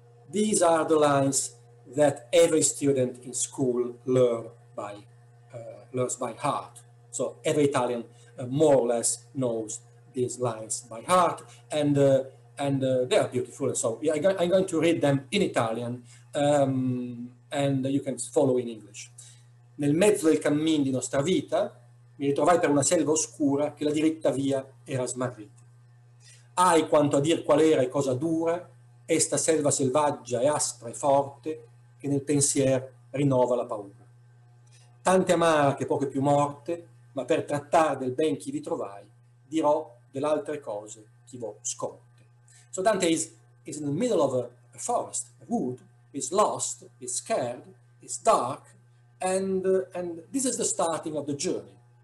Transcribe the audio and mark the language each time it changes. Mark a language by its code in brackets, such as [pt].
[en] These are the lines that every student in school learns by heart. So every Italian more or less knows these lines by heart, and they are beautiful. So yeah, I'm going to read them in Italian, and you can follow in English. [it] Nel mezzo del cammin di nostra vita, mi ritrovai per una selva oscura che la diritta via era smarrita. Ai quanto a dir qual era e cosa dura, esta selva selvaggia e aspra e forte che nel pensier rinnova la paura. Tante amara che poche più morte, ma per trattare del ben chi vi trovai, dirò dell'altre cose chi vo scorte. [en] So Dante is in the middle of a forest, a wood, is lost, is scared, is dark, and this is the starting of the journey.